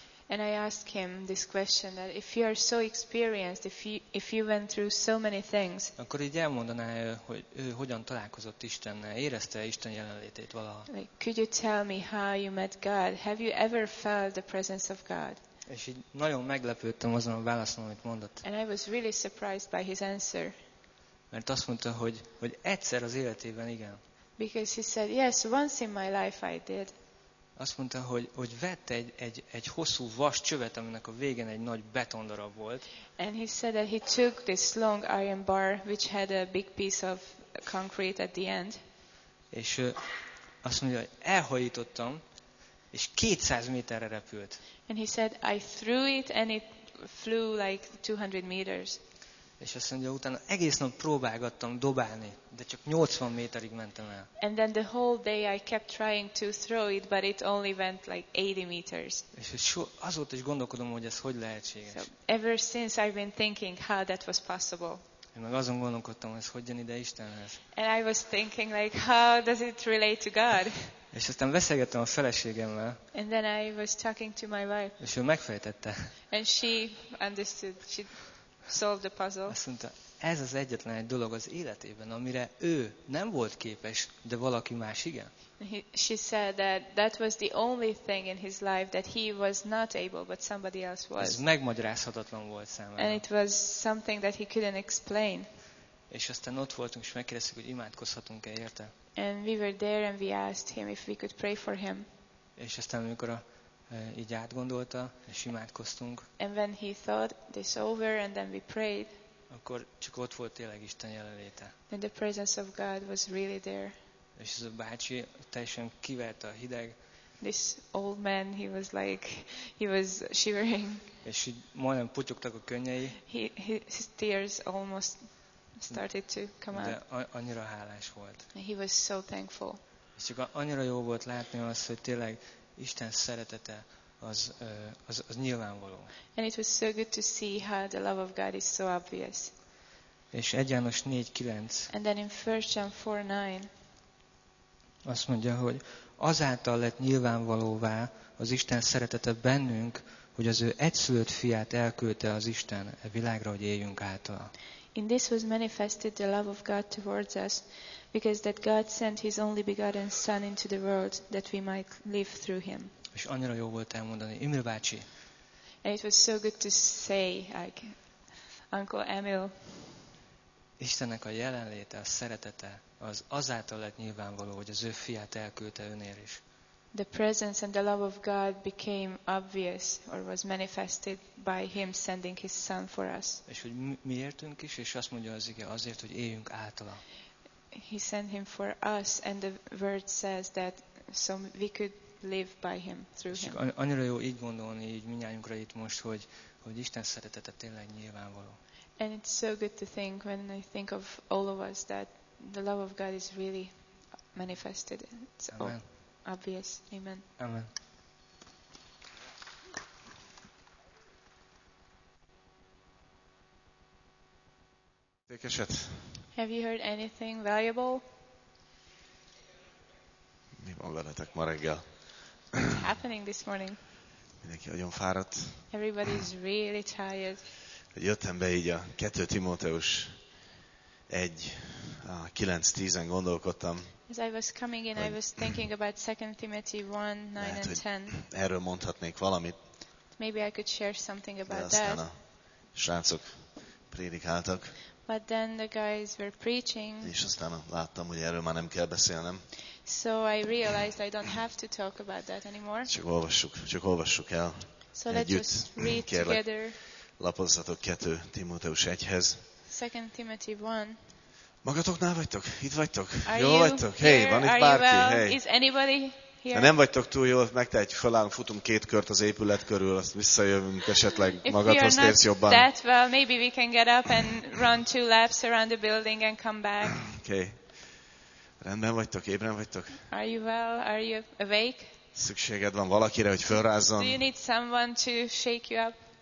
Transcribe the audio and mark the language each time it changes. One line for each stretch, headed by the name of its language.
English: And I asked him this question, that if you are so experienced, if you went through so many things,
Hungarian: akkor így elmondaná, hogy ő hogyan találkozott Istennel, érezte Isten jelenlétét valaha.
English: Like, could you tell me how you met God? Have you ever felt the presence of God?
Hungarian: És így nagyon meglepődtem azon a válaszon, amit mondott.
English: And I was really surprised by his answer.
Hungarian: Mert azt mondta, hogy egyszer az életében igen.
English: Because he said, yes, once in my life I did.
Hungarian: Azt mondta, hogy vett egy hosszú vas csövet, aminek a végén egy nagy betondarab volt.
English: And he said that he took this long iron bar, which had a big piece of concrete at the end.
Hungarian: És azt mondja, hogy elhajítottam, és 200 méterre repült.
English: And he said, I threw it, and it flew like 200 meters.
Hungarian: És azt mondja, utána egész nap próbálgattam dobálni, de csak 80 méterig mentem el.
English: And then the whole day I kept trying to throw it, but it only went like 80 meters.
Hungarian: És azóta is gondolkodom, hogy ez hogy lehetséges.
English: So, ever since I've been thinking how that was possible.
Hungarian: Én meg azon gondolkodtam, hogy ez hogy jön ide Istenhez.
English: And I was thinking, like, how does it relate to God?
Hungarian: És aztán beszélgettem a feleségemmel.
English: And then I was talking to my wife.
Hungarian: És ő megfejtette.
English: And she understood. She solved the puzzle.
Hungarian: Azt mondta, ez az egyetlen egy dolog az életében, amire ő nem volt képes, de valaki más igen.
English: She said that that was the only thing in his life that he was not able, but somebody else was.
Hungarian: Ez megmagyarázhatatlan volt számára.
English: And it was something that he couldn't explain.
Hungarian: És aztán ott voltunk, és megkérdeztük, hogy imádkozhatunk-e érte.
English: And we were there and we asked him if we could pray for him.
Hungarian: És aztán amikor így átgondolta, és imádkoztunk.
English: And when he thought this over and then we prayed.
Hungarian: Akkor csak ott volt tényleg Isten jelenléte.
English: And the presence of God was really there.
Hungarian: És ez a bácsi teljesen kivette a hideg.
English: This old man, he was like, he was shivering.
Hungarian: És így majdnem putyogtak a könnyei.
English: His tears almost started to come out.
Hungarian: De annyira hálás volt.
English: And he was so thankful.
Hungarian: És csak annyira jó volt látni azt, hogy tényleg Isten szeretete az nyilvánvaló.
English: And it was so good to see how the love of God is so obvious.
Hungarian: És 1 János 4:9.
English: And then in 1 John 4:9.
Hungarian: Azt mondja, hogy azáltal lett nyilvánvalóvá az Isten szeretete bennünk, hogy az ő egyszülött fiát elküldte az Isten a világra, hogy éljünk által.
English: In this was manifested the love of God towards us, because that God sent his only begotten son into the world that we might live through him.
Hungarian: És annyira jó volt elmondani, Emil bácsi.
English: And it was so good to say, like, Uncle Emil.
Hungarian: Istennek a jelenléte, a szeretete az azáltal lett nyilvánvaló, hogy az ő fiát elküldte önér is.
English: The presence and the love of God became obvious or was manifested by him sending his son for us.
Hungarian: És hogy mi értünk is, és azt mondja az ige, azért, hogy éljünk általa.
English: He sent him for us and the word says that so we could live by him, through him.
Hungarian: Annyira jó így gondolni, így mindnyájunkra itt most, hogy Isten szeretete tényleg nyilvánvaló.
English: And it's so good to think when I think of all of us that the love of God is really manifested. It's Amen. Obvious. Amen. Amen. Have you heard anything valuable?
Hungarian: Mi van veletek ma reggel?
English: What's happening this morning?
Hungarian: Mindenki nagyon fáradt.
English: Everybody is really tired.
Hungarian: Jöttem be így a 2 Timóteus 1:9-10-en gondolkodtam.
English: As I was coming in, I was thinking about 2 Timothy 1:9-10.
Hungarian: Erről mondhatnék valamit.
English: Maybe I could share something about that.
Hungarian: De aztán a srácok prédikáltak.
English: But then the guys were preaching.
Hungarian: És aztán láttam, hogy erről már nem kell beszélnem.
English: So I realized I don't have to talk about that anymore.
Hungarian: Csak olvassuk el.
English: So let's just read together.
Hungarian: Lapozzatok 2 Timóteus 1-hez.
English: 2 Timothy 1.
Hungarian: Magatoknál vagytok? Itt vagytok?
English: Are
Hungarian: jól vagytok?
English: Here?
Hungarian: Hey, van itt
English: Are
Hungarian: bárki?
English: Well? Hey. Is anybody here?
Hungarian: Ha nem vagytok túl jól, megtehetjük, felállunk, futunk 2 kört az épület körül, azt visszajövünk, esetleg magadhoz térsz jobban.
English: If we are not that well, maybe we can get up and run 2 laps around the building and come back.
Hungarian: Okay. Rendben vagytok? Ébren vagytok?
English: Are you well? Are you awake?
Hungarian: Szükséged van valakire, hogy felrázzon?
English: Do you need someone to shake you up?